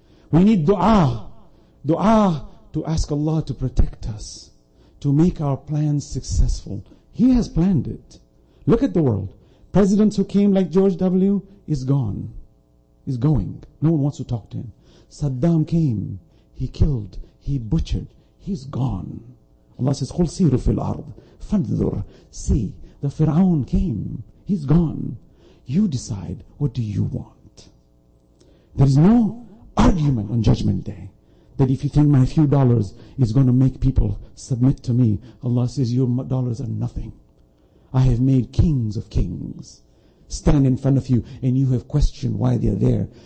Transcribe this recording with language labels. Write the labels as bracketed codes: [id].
[en] We need dua. Dua to ask Allah to protect us, to make our plans successful. He has planned it. Look at the world. Presidents who came like George W. is gone. Is going. No one wants to talk to him. Saddam came. He killed. He butchered. He's gone. Allah says, [ar] قُلْ سِيرُ فِي الْأَرْضِ فَانْذُرْ. [en] See, the Fir'aun came. He's gone. You decide, what do you want? There is no argument on Judgment Day that if you think my few dollars is going to make people submit to me, Allah says, your dollars are nothing. I have made kings of kings stand in front of you, and you have questioned why they are there.